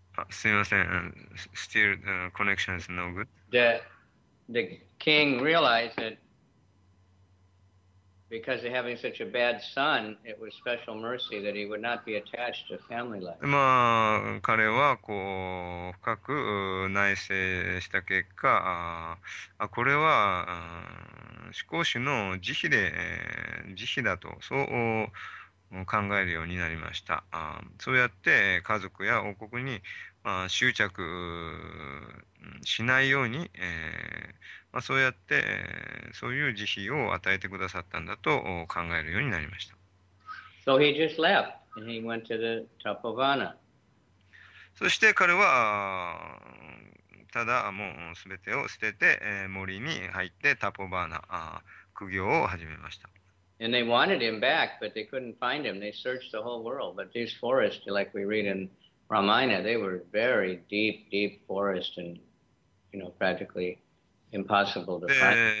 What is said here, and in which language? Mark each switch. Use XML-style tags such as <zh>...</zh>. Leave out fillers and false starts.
<ja>すみません。</ja> <en>Still, connection is no good. The king realized that because of having such a bad son, it was special mercy that he would not be attached to family life.</en> <ja>彼は深く内省した結果、これは思考主の慈悲だと、そう考えるようになりました。そうやって家族や王国に執着しないように、そうやってそういう慈悲を与えてくださったんだと考えるようになりました。</ja> <en>So he just left and he went to the Tapovana.</en> <ja>そして彼はただもうすべてを捨てて森に入ってタポバーナ、苦行を始めました。</ja> <en>And they wanted him back, but they couldn't find him. They searched the whole world. But these forests, like we read in Ramayana, they were very deep, deep forest and, practically impossible to find.</en>